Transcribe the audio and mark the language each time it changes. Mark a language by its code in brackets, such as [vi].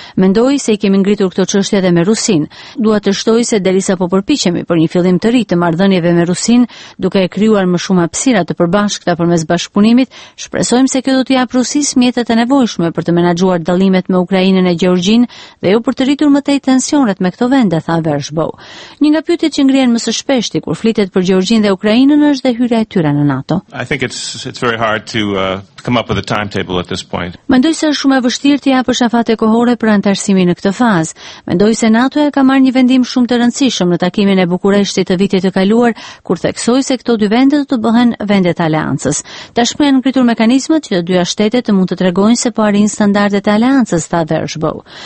[sq] Mendoj se i kemi ngritur këto çështje edhe me Rusinë. Dua të shtoj se derisa po përpiqemi për një fillim të ri të marrëdhënieve me Rusinë, duke e krijuar më shumë hapësira të përbashkëta përmes bashkëpunimit, shpresojmë se kjo do t'i japë Rusisë mjetet e nevojshme për të menaxhuar dallimet me Ukrainën e Gjeorgjinë dhe jo për të rritur më tej tensionet me këto vende, tha Vershbow. Një nga pyetjet që ngrihen më së shpeshti kur flitet për Gjeorgjinë dhe Ukrainën është dhe hyrja e tyre në NATO. [en] I think it's very hard to come up with a timetable at this point. [sq] Mendoj se është shumë e vështirë t'i japësh afate kohore për antarësimin në këtë fazë. Mendoj se NATO ka marrë një vendim shumë të rëndësishëm në takimin e Bukureshtit të vitit të kaluar, kur theksoi se këto dy vende do të bëhen vendet aleancës. Tashmë janë ngritur mekanizmat që të dyja shtetet të mund të tregojnë se po arrin standardet e aleancës, tha Vershbow.